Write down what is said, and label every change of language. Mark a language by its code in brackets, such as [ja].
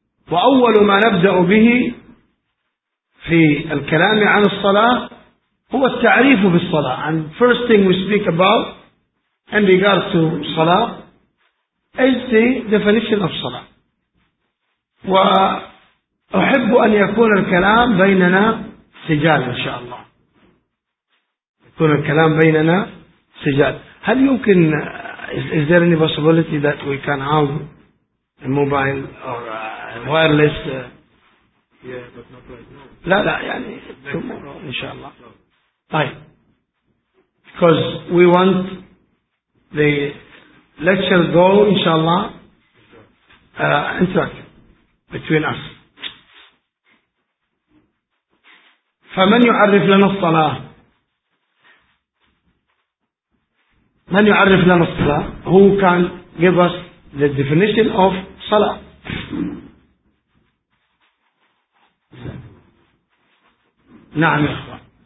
[ar] وأول ما نبدأ به في الكلام عن الصلاة هو التعريف بالصلاة. [en] And first thing we speak about in regards to صلاة is the definition of صلاة. [ar] وأحب أن يكون الكلام بيننا سجال إن شاء الله. يكون الكلام بيننا سجال. هل يمكن [en] is there any possibility that we can have a mobile or wireless? Yeah, but not right now. [ar] لا يعني [en] tomorrow [ar] إن شاء الله. طيب. [en] Because we want the lecture go [ar] إن شاء الله [en] interactive. between us. [ar] فمن يعرف لنا الصلاة؟ من يعرف لنا الصلاة؟ [en] Who can give us the definition of صلاة؟ [ar] نعم يا أخوان.